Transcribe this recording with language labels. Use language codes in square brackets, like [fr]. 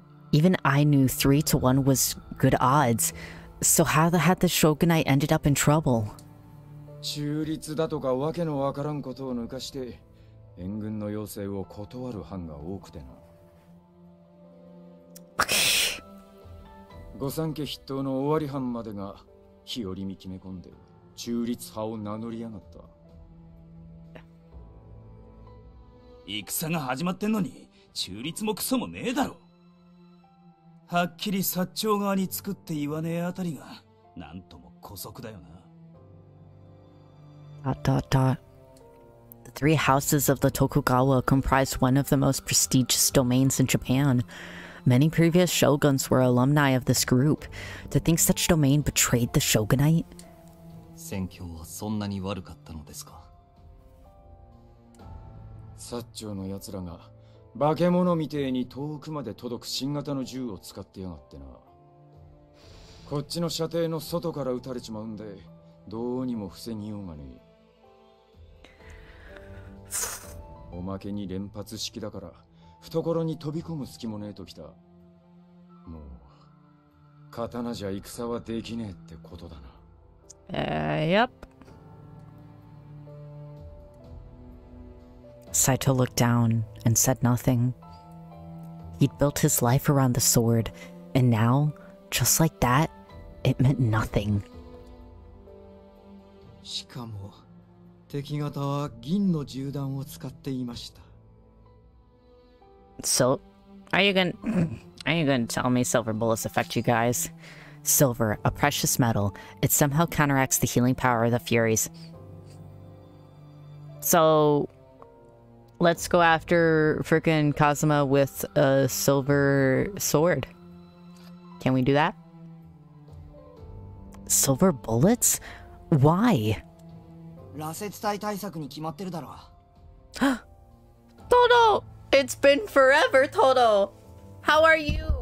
[en] Even I knew 3-1 was good odds. So how the had the Shogunai ended up in trouble? [ja] 中立だとかわけのわからんことを抜かして、援軍の要請を断る藩が多くてな。御三家筆頭の尾張藩までが日和見決め込んで、中立派を名乗りやがった。戦が始まってんのに、中立もクソもねえだろ。はっきり薩長側に作って言わねえあたりが、なんとも姑息だよな。あったあった。 [en] The three houses of the Tokugawa comprised one of the most prestigious domains in Japan. Many previous shoguns were alumni of this group. To think such domain betrayed the shogunate? [ja] 戦況はそんなに悪かったのですか。薩長の奴らが、化け物みてえに遠くまで届く新型の銃を使ってやがってな。こっちの射程の外から撃たれちまうんで、どうにも防ぎようがねえ。おまけに連発式だから、懐に飛び込む隙もねえときた。もう、刀じゃ戦はできねえってことだな。 [en] Yep. Saito looked down and said nothing. He'd built his life around the sword, and now, just like that, it meant nothing. [ja] しかも、敵方は銀の銃弾を使っていました。 [en] So, are you gonna tell me silver bullets affect you guys? Silver, a precious metal, it somehow counteracts the healing power of the Furies. So... Let's go after freaking Kazuma with a silver sword. Can we do that? Silver bullets? Why? [ja] ラセツ隊対策に決まってるだろう。 [en] Toto! It's been forever, Toto! How are you?